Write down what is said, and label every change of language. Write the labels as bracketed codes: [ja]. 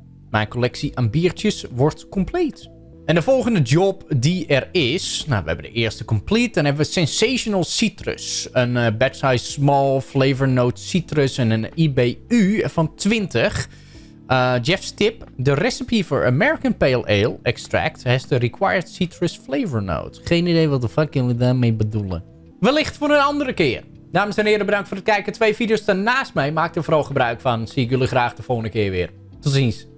[nl] Mijn collectie aan biertjes wordt compleet. En de volgende job die er is. Nou, we hebben de eerste complete. Dan hebben we Sensational Citrus. Een batch size small flavor note citrus en een IBU van 20. [en] Jeff's tip, the recipe for American Pale Ale extract has the required citrus flavor note. [nl] Geen idee wat de fuck we daarmee bedoelen. Wellicht voor een andere keer. Dames en heren, bedankt voor het kijken. Twee video's daarnaast mij. Maak er vooral gebruik van. Zie ik jullie graag de volgende keer weer. Tot ziens.